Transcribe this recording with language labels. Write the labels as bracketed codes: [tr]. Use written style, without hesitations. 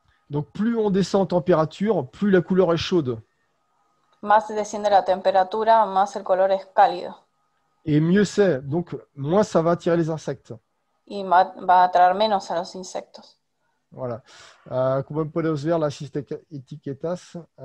[fr] Donc, plus on descend en température, plus la couleur est chaude. [es] Más desciende la temperatura, más el color es cálido. [fr] Et mieux c'est, donc moins ça va attirer les insectes. [es] Y va a atraer menos a los insectos. [fr] Voilà. [es] Comment podemos ver las etiquetas?